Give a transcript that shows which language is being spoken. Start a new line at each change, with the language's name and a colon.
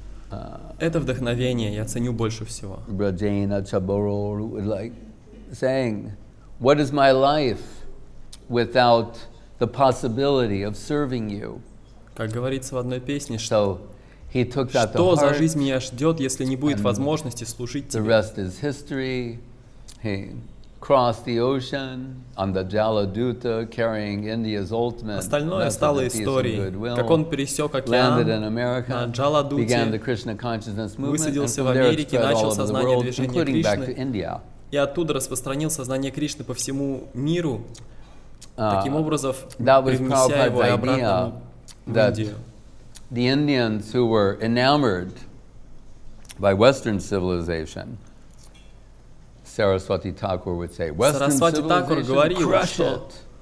Russian: это вдохновение я ценю больше всего.
English: Brajena Chaboru, like saying, what is my life without the possibility of serving you?
Russian: Как говорится в одной песне, что за жизнь меня ждет, если не будет возможности служить тебе?
English: The rest is history. He crossed the ocean on the Jaladuta, carrying India's ultimate.
Russian: Остальное стало историей. Как он пересек океан на Джаладуте,
English: began the Krishna consciousness movement,
Russian: высадился в Америке, начал сознание движения Кришны, и оттуда распространил сознание Кришны по всему миру, таким образом, привнеся его и обратно.
English: That the Indians who were enamored by Western civilization, Saraswati Thakur would say, Western civilization, crush it.